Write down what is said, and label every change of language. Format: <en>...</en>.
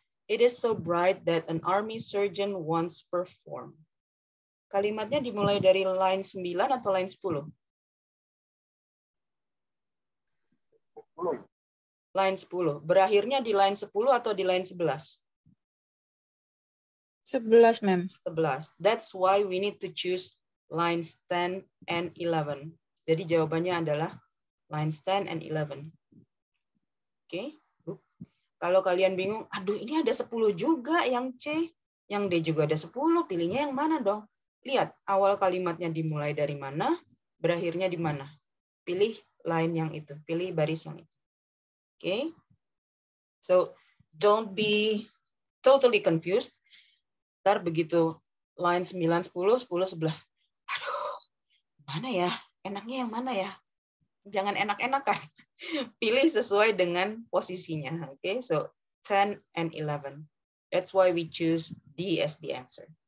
<en>It is so bright that an army surgeon once performed.</en> <id>Kalimatnya dimulai dari line 9 atau line 10? Line 10. Berakhirnya di line 10 atau di line 11?</id> <en>11, ma'am. 11. That's why we need to choose lines 10 and 11.</en> <id>Jadi jawabannya adalah lines 10 and 11. Okay. Kalau kalian bingung, aduh ini ada 10 juga yang C, yang D juga ada 10, pilihnya yang mana dong? Lihat, awal kalimatnya dimulai dari mana, berakhirnya di mana. Pilih line yang itu, pilih baris yang itu.</id> <en>Oke? So, don't be totally confused.</en> <id>Ntar begitu line 9, 10, 10, 11. Aduh, mana ya? Enaknya yang mana ya? Jangan enak-enakan. Pilih sesuai dengan posisinya.</id> <en>Oke, so 10 and 11. That's why we choose D as the answer.</en>